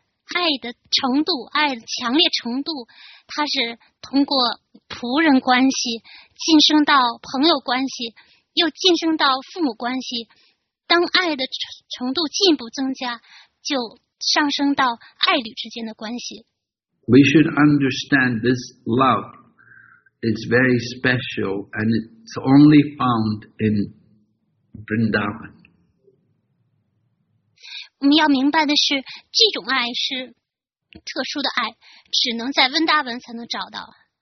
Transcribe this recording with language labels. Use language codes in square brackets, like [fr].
[zh] 爱的程度，爱的强烈程度，它是通过仆人关系晋升到朋友关系，又晋升到父母关系。当爱的程度进一步增加，就上升到爱侣之间的关系。 [en] We should understand this love is very special and it's only found in Vrindavan. [zh] 我们要明白的是，这种爱是特殊的爱，只能在温达文才能找到。